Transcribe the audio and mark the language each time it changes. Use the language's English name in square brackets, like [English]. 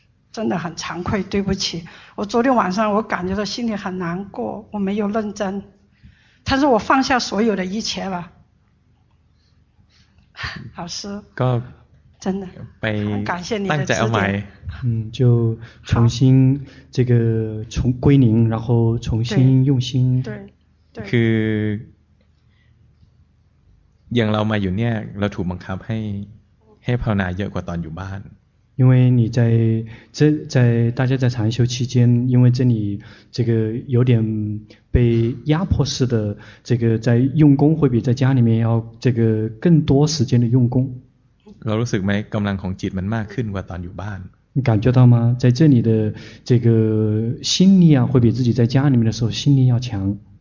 [Chinese] 真的很惭愧对不起我昨天晚上我感觉到心里很难过我没有认真但是我放下所有的一切了老师真的很感谢你的指点就重新这个从归零然后重新用心对 [Thai] คืออย่างเรามาอยู่เนี่ยเราถูกบังคับให้ภาวนาเยอะกว่าตอนอยู่บ้าน [Chinese] 因为你在这在大家在禅修期间因为这里这个有点被压迫式的这个在用功会比在家里面要这个更多时间的用功 [Thai] เรารู้สึกไหมกำลังของจิตมันมากขึ้นกว่าตอนอยู่บ้าน [Chinese] 感觉到吗在这里的这个心力啊会比自己在家里面的时候心力要强